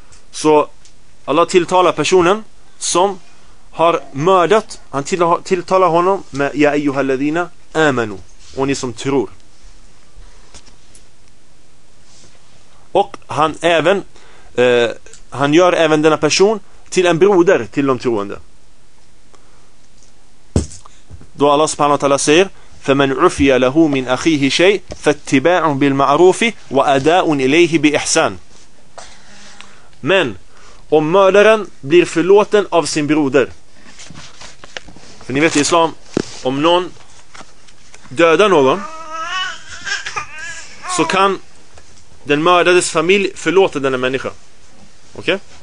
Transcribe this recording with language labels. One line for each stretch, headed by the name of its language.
Swedish: Så Allah tilltalar personen som har mördat, han tilltalar honom med
Arabic: Ya ayyuhal ladhina amanu,
Swedish: och ni som tror. Och han även han gör även denna person till en broder till de troende. Då Allah subhanahu wa ta'ala säger:
Arabic: فَمَنْ عُفِيَ لَهُ مِنْ أَخِيهِ شَيْءٍ فَاتِّبَاعٌ بِالْمَعْرُوفِ وَأَدَاءٌ إِلَيْهِ بِإِحْسَانٍ.
Swedish: Men om mördaren blir förlåten av sin broder, för ni vet i islam, om någon dödar någon så kan den mördades familj förlåta denna människa. Okej?